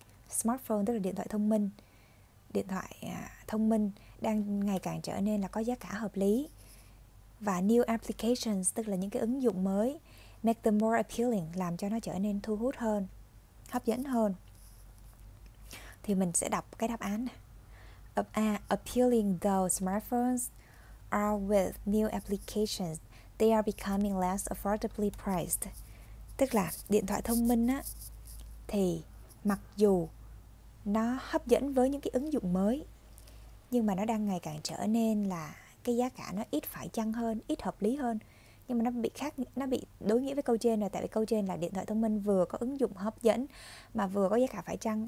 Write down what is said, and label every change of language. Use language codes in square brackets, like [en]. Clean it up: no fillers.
[vi] Smartphone tức là điện thoại thông minh. Điện thoại thông minh đang ngày càng trở nên là có giá cả hợp lý. Và new applications tức là những cái ứng dụng mới, [en] make them more appealing, [vi] làm cho nó trở nên thu hút hơn, hấp dẫn hơn. Thì mình sẽ đọc cái đáp án. [en] A, appealing though smartphones are with new applications, they are becoming less affordably priced. [vi] Tức là điện thoại thông minh á, thì mặc dù nó hấp dẫn với những cái ứng dụng mới, nhưng mà nó đang ngày càng trở nên là cái giá cả nó ít phải chăng hơn, ít hợp lý hơn. Nhưng mà nó bị đối nghĩa với câu trên rồi. Tại vì câu trên là điện thoại thông minh vừa có ứng dụng hấp dẫn mà vừa có giá cả phải chăng.